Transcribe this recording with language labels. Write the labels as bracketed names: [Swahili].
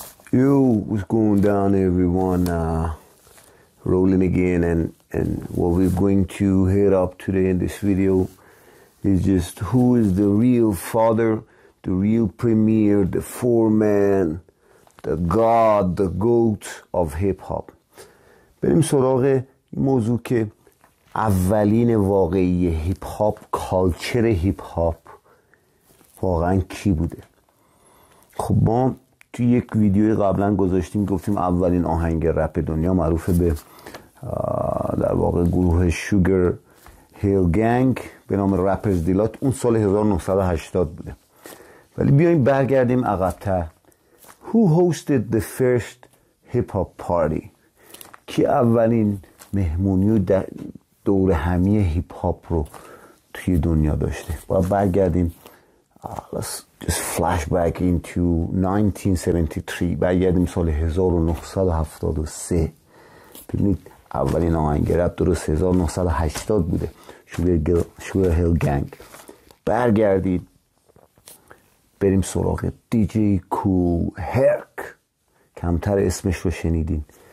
[English] Yo, what's going down, everyone? Rolling again, and what we're going to hit up today in this video is just who is the real father, the real premier, the foreman, the god, the goat of hip hop. [Persian] بریم سراغ موضوع که اولین واقعی هیپ هاپ، کالچر هیپ هاپ واقعا کی بوده. خب ما تو یک ویدیو قبلا گذاشتیم، گفتیم اولین آهنگ رپ دنیا معروف به در واقع گروه شوگر هیل گنگ به نام رپرز دیلات اون سال 1980 بوده. ولی بیایم برگردیم عقب‌تر. [English] Who hosted the first hip hop party؟ [Persian] کی اولین مهمونی و دور همی هیپ هاپ رو توی دنیا داشته؟ باید برگردیم. [English] Let's just flashback into 1973. [Persian] برگردیم سال 1973. ببینید اولین آهنگ رپ درست 1980 بوده. شوگر هیل گنگ. برگردید. بریم سراغ دی جی کول هرک. کمتر اسمش رو شنیدین.